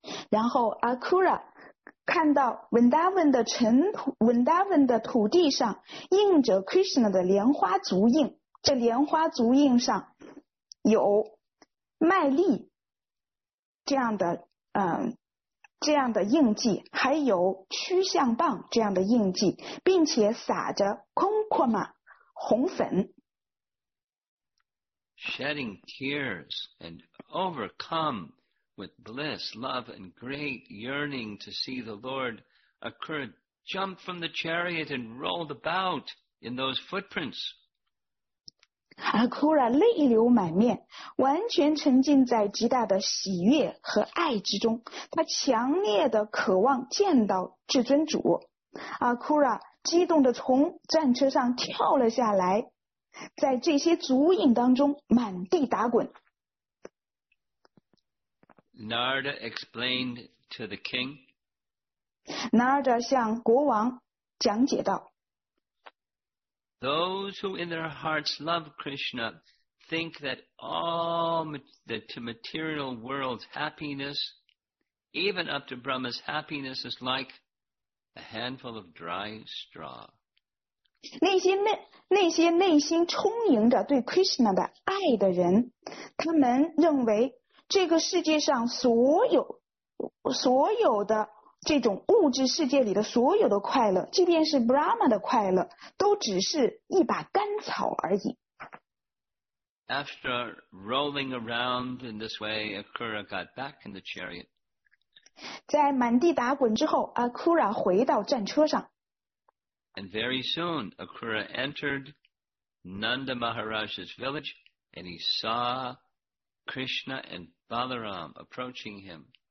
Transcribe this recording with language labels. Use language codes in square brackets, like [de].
[zh] 然后 Akura 看到 Vrindavan 的土地上印着 Krishna 的莲花足印，这莲花足印上有麦粒这样的印记，还有曲项棒这样的印记，并且撒着 kumkuma 红粉。 [en] Shedding tears and overcome with bliss, love and great yearning to see the Lord, Akura jumped from the chariot and rolled about in those footprints. [zh] Akura 泪流满面，完全沉浸在极大的喜悦和爱之中，他强烈的渴望见到至尊主。 Akura 激动的从战车上跳了下来，在这些足印当中满地打滚。 [en] Narada explained to the king. [zh] Narada 向国王讲解道， [en] Those who in their hearts love Krishna think that all the material world's happiness, even up to Brahma's happiness, is like a handful of dry straw. [zh] 那些内心充盈着对 Krishna 的爱的人，他们认为这个世界上所有的这种物质世界里的所有的快乐，即便是 Brahma 的快乐，都只是一把干草而已。 [en] After rolling around in this way, Akura got back in the chariot. [zh] 在满地打滚之后， Akura 回到战车上。 [en] And very soon, Akura entered Nanda Maharaj's village, and he saw Krishna and Balaram approaching him.